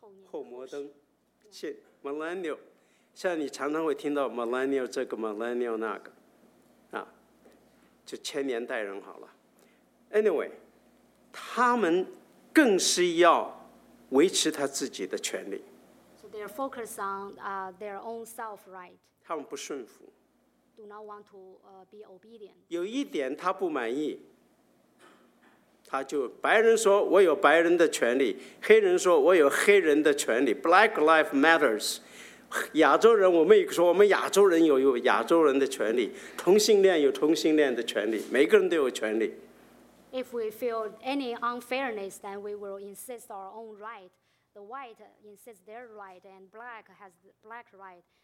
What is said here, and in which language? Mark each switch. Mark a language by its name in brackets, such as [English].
[Chinese] 后摩登，现 millennial， 像你常常会听到 millennial 这个 millennial 那个，啊，就千年代人好了。 Anyway， 他们更是要维持他自己的权利。 [English] So they are focused on their own self-right. [Chinese] 他们不顺服。 [English] Do not want to be obedient. [Chinese] 有一点他不满意。他就白人说我有白人的权利，黑人说我有黑人的权利， Black Lives Matters， 亚洲人我们也说我们亚洲人有亚洲人的权利，同性恋有同性恋的权利，每个人都有权利。 [English] If we feel any unfairness, then we will insist our own right. The white insists their right, and black has black right.